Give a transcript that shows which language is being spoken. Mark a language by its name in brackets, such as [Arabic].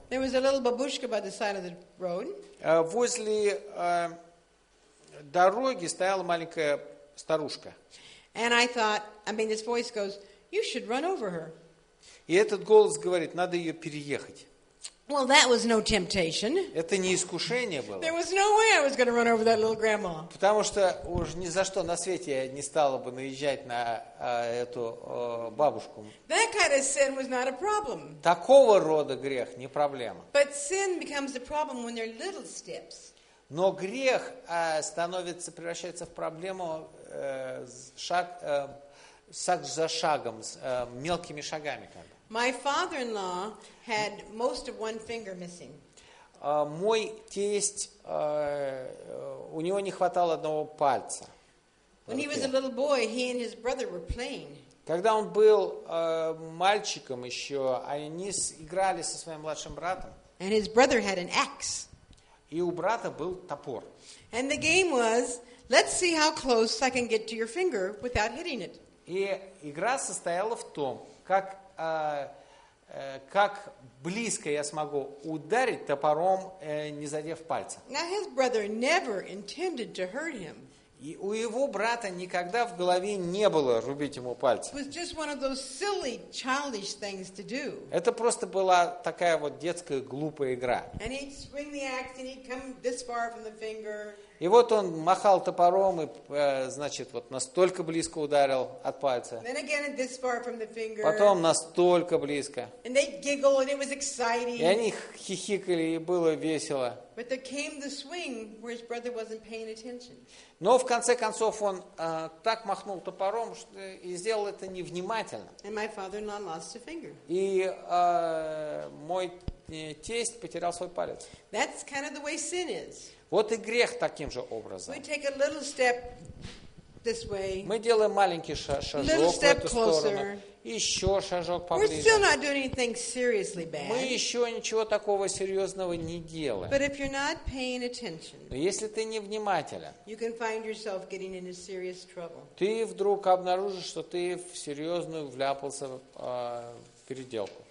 [English] There was a little babushka by the side of the road. [Russian] Возле дороги стояла маленькая старушка. [English] And I thought, this voice goes, you should run over her. [Russian] И этот голос говорит, надо ее переехать. [English] Well, that was no temptation. [Russian] Это не искушение было. [English] There was no way I was going to run over that little grandma. [Russian] Потому что уж ни за что на свете я не стала бы наезжать на эту бабушку. [English] That kind of sin was not a problem. [Russian] Такого рода грех не проблема. [English] But sin becomes a problem when there are little steps. [Russian] Но грех превращается в проблему шаг за шагом, с мелкими шагами. [English] My father-in-law had most of one finger missing. [Russian] Мой тесть, у него не хватало одного пальца. [English] When he was a little boy, he and his brother were playing. [Russian] Когда он был мальчиком еще, они играли со своим младшим братом. [English] And his brother had an axe. [Russian] И у брата был топор. [English] And the game was, let's see how close I can get to your finger without hitting it. [Russian] И игра состояла в том, как близко я смогу ударить топором, не задев пальца. [English] Now his brother never intended to hurt him. [Russian] И у его брата никогда в голове не было рубить ему пальцы. [English] It was just one of those silly, childish things to do. [Russian] Это просто была такая вот детская глупая игра. [English] And he'd swing the axe and he'd come this far from the finger. [Russian] И вот он махал топором и, значит, вот настолько близко ударил от пальца. [English] Then again, this far from the finger. [Russian] Потом настолько близко. [English] And they'd giggle and it was exciting. [Russian] И они хихикали, и было весело. [English] But there came the swing where his brother wasn't paying attention. [Russian] Но в конце концов он так махнул топором, что и сделал это невнимательно. [English] And my father-in-law lost a finger. [Russian] И мой тесть потерял свой палец. [English] That's kind of the way sin is. [Russian] Вот и грех таким же образом. [English] We take a little step this way. [Russian] Мы делаем маленький шажок [English] little step [Russian] в эту [English] closer. [Russian] Сторону. Еще шажок поближе. [English] We're still not doing anything seriously bad. [Russian] Мы еще ничего такого серьезного не делаем. [English] But if you're not paying attention, [Russian] но если ты невнимателен, [English] you can find yourself getting into serious trouble. [Russian] Ты вдруг обнаружишь, что ты в серьезную вляпался в переделку.